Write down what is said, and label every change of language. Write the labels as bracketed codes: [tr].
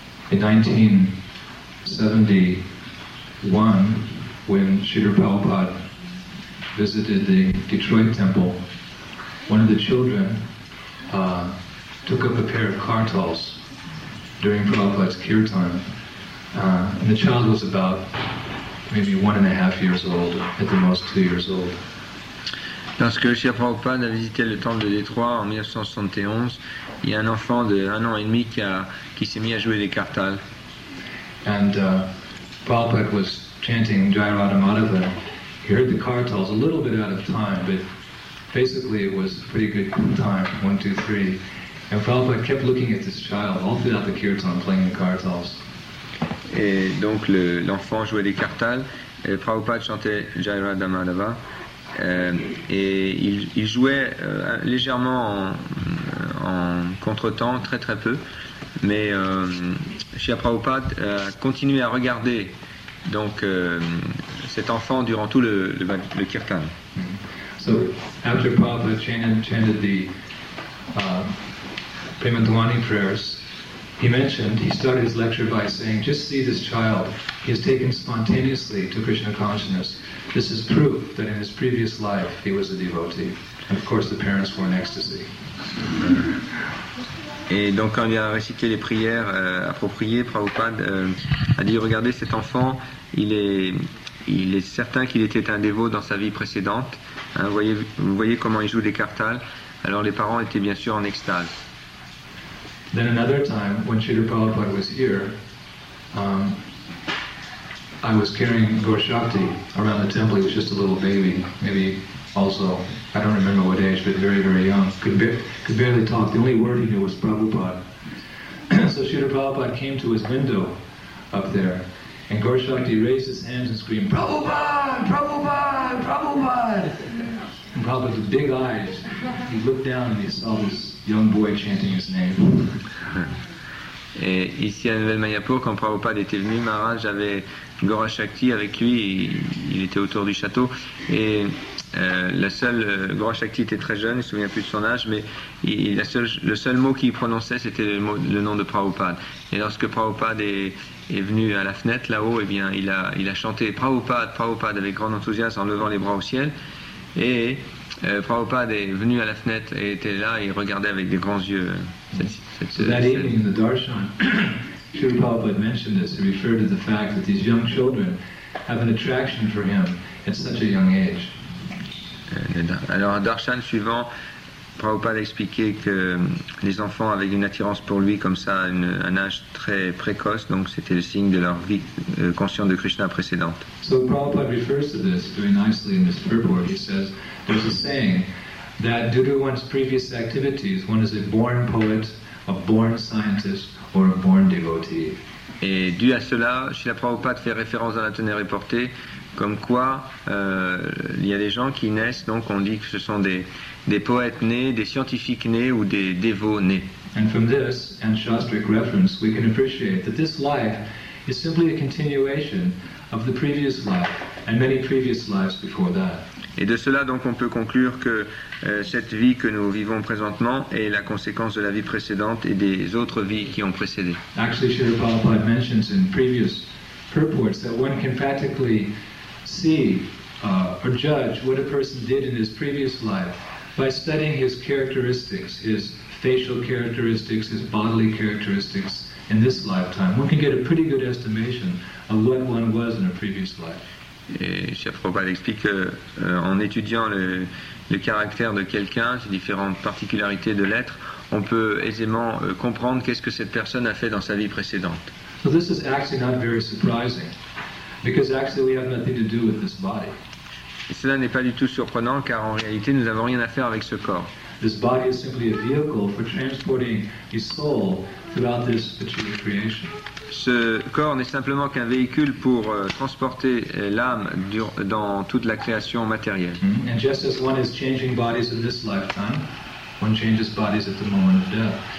[en] In 1971, when Srila Prabhupada visited the Detroit temple, one of the children took up a pair of kartals during Prabhupada's kirtan, and the child was about maybe 1.5 years old, at the most 2 years old. [fr] Lorsque Srila Prabhupada a visité le temple de Détroit en 1971, il y a un enfant de 1 an et demi qui s'est mis à jouer des kartals. [en] And Prabhupada was chanting Jai Radha Madhava. He heard the kartals a little bit out of time, but basically it was a pretty good time, 1, 2, 3. And Prabhupada kept looking at this child all throughout the kirtan playing the kartals. [fr] Et donc l'enfant jouait des kartals, Prabhupada chantait Jai Radha Madhava, et il jouait légèrement en contretemps, très très peu, mais Srila Prabhupada a continué à regarder donc cet enfant durant tout le kirtan. [en] So after Prabhupada chanted the Premadwani prayers, He started his lecture by saying, just see this child. He has taken spontaneously to Krishna consciousness. This is proof that in his previous life he was a devotee. And of course the parents were in ecstasy. [fr] Et donc quand il a récité les prières appropriées, Prabhupada a dit, regardez cet enfant, il est certain qu'il était un dévot dans sa vie précédente. Hein, vous voyez comment il joue des kartals. Alors les parents étaient bien sûr en extase. [en] Then another time, when Srila Prabhupada was here, I was carrying Gaurashakti around the temple. He was just a little baby, maybe also, I don't remember what age, but very, very young. Could barely talk. The only word he knew was Prabhupada. So Srila Prabhupada came to his window up there, and Gaurashakti raised his hands and screamed, Prabhupada! Prabhupada! Prabhupada! And Prabhupada, with big eyes, he looked down and he saw this young boy chanting his name. [fr] Et ici à Nouvelle-Mayapur, quand Prabhupada était venu, Maharaj avait Gaurashakti avec lui, il était autour du château, et Gaurashakti était très jeune, il ne se souvient plus de son âge, mais le seul mot qu'il prononçait, c'était le nom de Prabhupada. Et lorsque Prabhupada est venu à la fenêtre, là-haut, eh bien, il a chanté Prabhupada, Prabhupada, avec grand enthousiasme, en levant les bras au ciel, et Prabhupada est venu à la fenêtre et était là, et regardait avec des grands yeux [en] evening in the darshan, Srila Prabhupada mentioned this. He referred to the fact that these young children have an attraction for him at such a young age. [fr] Alors, un darshan suivant, Prabhupada expliquait que les enfants avaient une attirance pour lui comme ça à un âge très précoce, donc c'était le signe de leur vie consciente de Krishna précédente. [en] So Prabhupada refers to this very nicely in this purport. He says, there's a saying that due to one's previous activities, one is a born poet, a born scientist, or a born devotee. [fr] Et dû à cela, Srila Prabhupada fait référence à la tenue reportée, comme quoi il y a des gens qui naissent, donc on dit que ce sont des poètes nés, des scientifiques nés ou des dévots nés. [en] And from this, and Shastric reference, we can appreciate that this life is simply a continuation of the previous life and many previous lives before that. [fr] Et de cela, donc, on peut conclure que cette vie que nous vivons présentement est la conséquence de la vie précédente et des autres vies qui ont précédé. [en] Actually, Srila Prabhupada mentions in previous purports that one can practically see or judge what a person did in his previous life by studying his characteristics, his facial characteristics, his bodily characteristics in this lifetime. One can get a pretty good estimation of what one was in a previous life. [fr] Et Srila Prabhupada explique que, en étudiant le caractère de quelqu'un, ses différentes particularités de l'être, on peut aisément comprendre qu'est-ce que cette personne a fait dans sa vie précédente. [en] So this is actually not very surprising, because actually we have nothing to do with this body. [fr] Et cela n'est pas du tout surprenant, car en réalité nous n'avons rien à faire avec ce corps. [en] This body is simply a vehicle for transporting his soul throughout this particular creation. [fr] Ce corps n'est simplement qu'un véhicule pour transporter l'âme dans toute la création matérielle. [en] And just as one is changing bodies in this lifetime, one changes bodies at the moment of death.